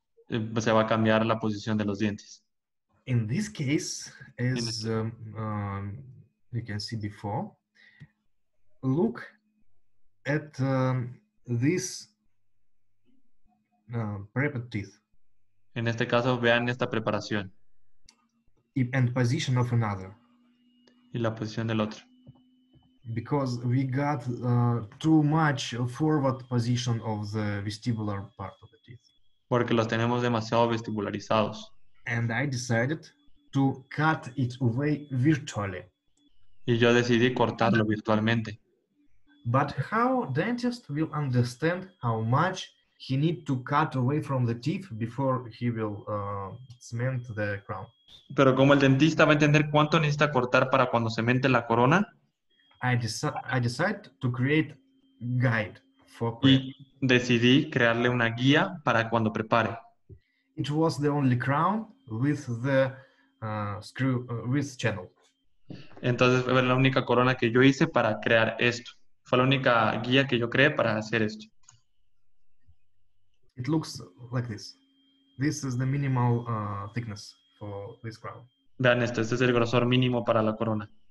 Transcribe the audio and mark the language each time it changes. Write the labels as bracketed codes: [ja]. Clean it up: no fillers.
[es] Se va a cambiar la posición de los dientes. [en] In this case, as you can see before, look at this prepared teeth. [es] En este caso, vean esta preparación. [en] And position of another. [es] Y la posición del otro. [en] Because we got too much forward position of the vestibular part of the teeth. [es] Porque los tenemos demasiado vestibularizados. [en] And I decided to cut it away virtually. [es] Y yo decidí cortarlo virtualmente. [en] But how dentist will understand how much he need to cut away from the teeth before he will cement the crown? [es] Pero como el dentista va a entender cuánto necesita cortar para cuando cemente la corona? [en] I decide to create guide. [es] Y decidí crearle una guía para cuando prepare. [en] It was the only crown with the screw with channel. [es] Entonces fue la única corona que yo hice para crear esto. Fue la única guía que yo creé para hacer esto. [en] It looks like this. This is the minimal thickness for this crown. [es] Vean esto, este es el grosor mínimo para la corona.